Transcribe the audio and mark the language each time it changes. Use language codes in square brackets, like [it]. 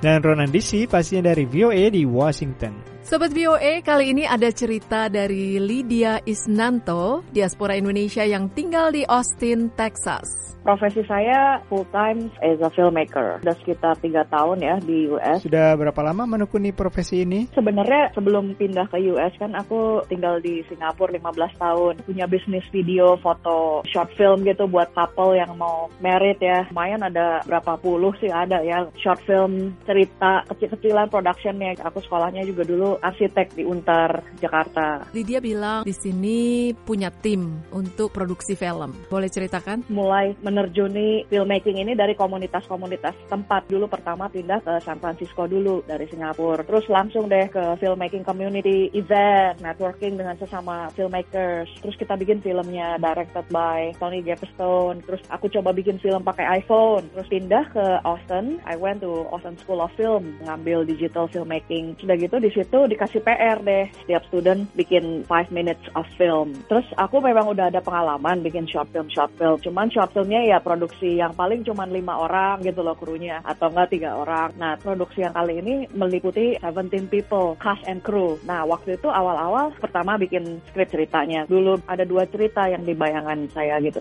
[id] dan Ronan Disi, pastinya dari VOA di Washington. Sobat VOA, kali ini ada cerita dari Lydia Isnanto, diaspora Indonesia yang tinggal di Austin, Texas. Profesi saya [en] full-time as a filmmaker. [id] Sudah sekitar 3 tahun ya di US. Sudah berapa lama menekuni profesi ini? Sebenarnya sebelum pindah ke US kan aku tinggal di Singapura 15 tahun. Punya bisnis video, foto, short film gitu buat couple yang mau married ya. Lumayan ada berapa puluh sih ada ya. Short film, cerita, kecil-kecilan productionnya. Aku sekolahnya juga dulu arsitek di Untar, Jakarta. Lydia bilang di sini punya tim untuk produksi film. Boleh ceritakan? Mulai menerjuni filmmaking ini dari komunitas-komunitas tempat. Dulu pertama pindah ke San Francisco dulu dari Singapura. Terus langsung deh ke filmmaking community, event, networking dengan sesama filmmakers. Terus kita bikin filmnya directed by Tony Gapstone. Terus aku coba bikin film pakai iPhone. Terus pindah ke Austin. [en] I went to Austin School of Film [id] ngambil [en] digital filmmaking. [id] Sudah gitu di situ dikasih PR deh. Setiap student bikin [en] 5 minutes of film. [id] Terus aku memang udah ada pengalaman bikin short film-short film. Cuman short filmnya ya produksi yang paling cuman 5 orang gitu loh krunya. Atau enggak 3 orang. Nah, produksi yang kali ini meliputi 17 [en] people, cast and crew. [id] Nah, waktu itu awal-awal pertama bikin script ceritanya. Dulu ada 2 cerita yang dibayangkan saya gitu.